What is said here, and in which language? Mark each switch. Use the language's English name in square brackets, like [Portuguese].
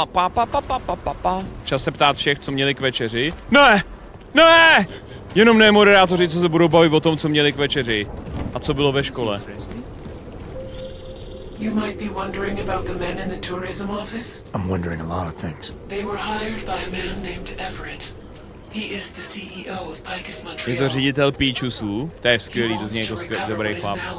[Czech] Pa. Čas se ptát všech, co měli k večeři. Ne! Ne! Jenom ne moderátoři, co se budou bavit o tom, co měli k večeři. A co bylo ve škole. [English] You might be wondering about the men in the tourism office. I'm wondering a lot of things. They were hired by a man named Everett. He is the CEO of Picus Montreal. [Czech] Je to ředitel Píčusů. To je skvělý, to zní jako skvělý, dobrý chlap.